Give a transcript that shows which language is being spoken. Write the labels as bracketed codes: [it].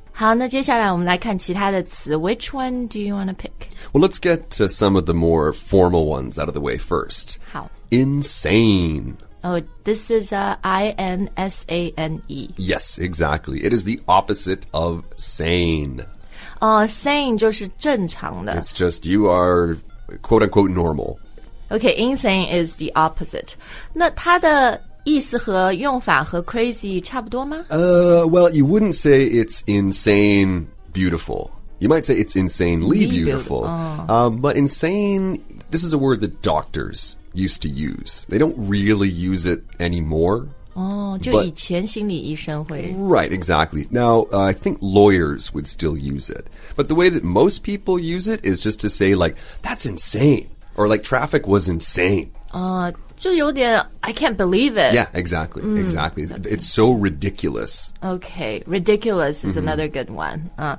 [zh] 好，那接下来我们来看其他的词。 [en] Which one do you want to pick? Well, let's get to some of the more formal ones out of the way first. [zh] 好。 [en] Insane. Oh, this is I-N-S-A-N-E. Yes, exactly. It is the opposite of sane. [zh] Sane 就是正常的。 [en] It's just you are quote-unquote normal. Okay, insane is the opposite. [zh] 那它的意思和用法和 crazy 差不多吗? [en] Well, you wouldn't say it's insane beautiful. You might say it's insanely beautiful. But insane, this is a word that doctors used to use. They don't really use it anymore. But, [zh] 以前心理医生会。 [en] Right, exactly. Now, I think lawyers would still use it. But the way that most people use it is just to say, like, that's insane. Or like traffic was insane. [zh] 就有点 [en] I can't believe it. Yeah, exactly, exactly. It's so ridiculous. Okay, ridiculous is another good one.